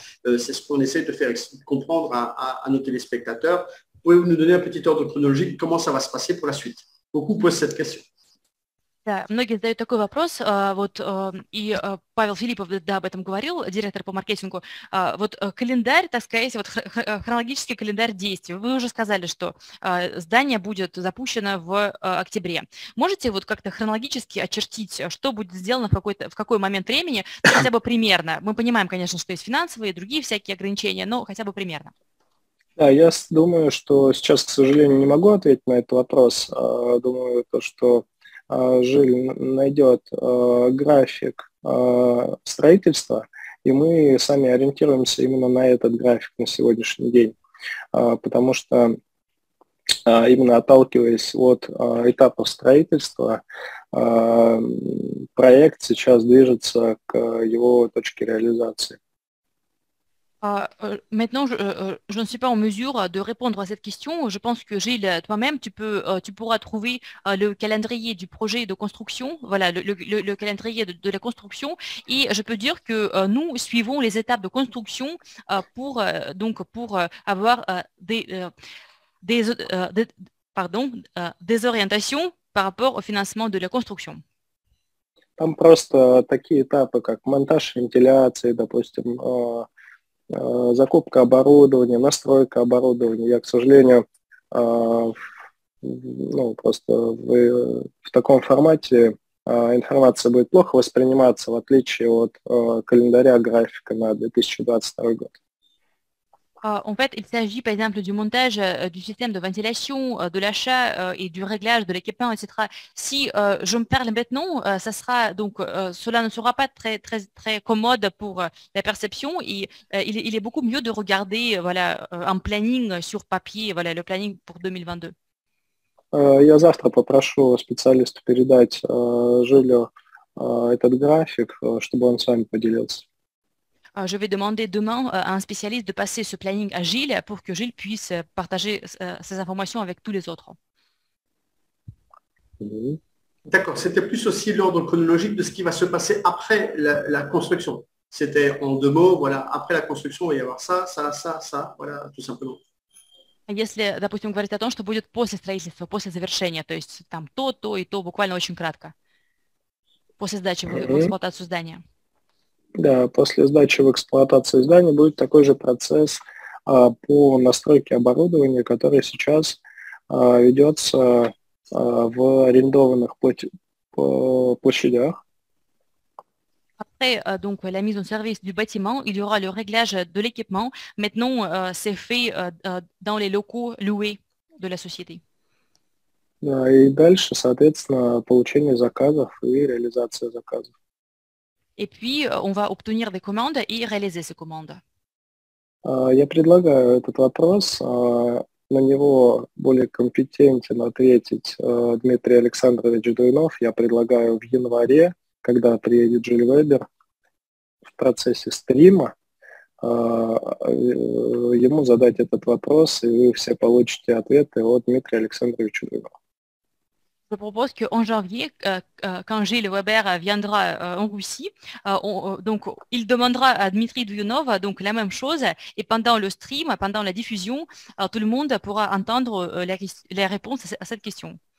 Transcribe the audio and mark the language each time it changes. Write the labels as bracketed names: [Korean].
[French] C'est ce qu'on essaie de faire comprendre à nos téléspectateurs. Pouvez-vous nous donner un petit ordre chronologique, comment ça va se passer pour la suite? Beaucoup posent cette question. [Russian] Да, многие задают такой вопрос, вот и Павел Филиппов, да, об этом говорил, директор по маркетингу, вот календарь, так сказать, вот хронологический календарь действий. Вы уже сказали, что здание будет запущено в октябре. Можете вот как-то хронологически очертить, что будет сделано в какой момент времени, хотя бы примерно? Мы понимаем, конечно, что есть финансовые и другие всякие ограничения, но хотя бы примерно. Да, я думаю, что сейчас, к сожалению, не могу ответить на этот вопрос. Думаю, то, что Жиль найдет график строительства, и мы сами ориентируемся именно на этот график на сегодняшний день, потому что именно отталкиваясь от этапов строительства, проект сейчас движется к его точке реализации. [French] Maintenant, je ne suis pas en mesure de répondre à cette question. Je pense que Gilles, toi-même, tu pourras trouver le calendrier du projet de construction, voilà, le calendrier de la construction. Et je peux dire que nous suivons les étapes de construction pour avoir des orientations par rapport au financement de la construction. [Russian] Там просто такие этапы, как монтаж вентиляции, допустим, закупка оборудования, настройка оборудования. Я, к сожалению, ну, просто в таком формате информация будет плохо восприниматься, в отличие от календаря графика на 2022 год. [French] En fait, il s'agit par exemple du montage du système de ventilation, de l'achat et du réglage de l'équipement, etc. Si je me parle maintenant, ça sera donc cela ne sera pas très très très commode pour la perception. Et il est beaucoup mieux de regarder voilà un planning sur papier, voilà le planning pour 2022. [Russian] Я завтра попрошу специалиста передать Жилю этот график, чтобы он с вами поделился. [French] Je vais demander demain à un spécialiste de passer ce planning à Gilles pour que Gilles puisse partager ces informations avec tous les autres. D'accord, c'était plus aussi l'ordre chronologique de ce qui va se passer après la construction. C'était en deux mots, voilà, après la construction, il va y avoir ça, ça, ça, ça, voilà, tout simplement. [Russian] Если, допустим, говорить о том, что будет после строительства, после завершения, то есть там то и то, буквально очень кратко. После сдачи в эксплуатацию здания. Да, после сдачи в эксплуатацию здания будет такой же процесс по настройке оборудования, который сейчас ведется в арендованных площадях. [French] Après donc la mise en service du bâtiment, il y aura le réglage de l'équipement. Maintenant, c'est fait dans les locaux loués de la société. [Russian] Да, и дальше, соответственно, получение заказов и реализация заказов. [French] Et puis, on va obtenir des commandes et réaliser ces commandes. [Russian] Я предлагаю этот вопрос, на него более компетентен ответить Дмитрий Александрович Дуйнов. Я предлагаю в январе, когда приедет Джуль Вебер, в процессе стрима ему задать этот вопрос, и вы все получите ответы от Дмитрия Александровича Дуйнова. [French] Je propose qu'en janvier, quand Gilles Weber viendra en Russie, donc il demandera à Dmitri Douyunov donc la même chose, et pendant le stream, pendant la diffusion, tout le monde pourra entendre les réponses à cette question.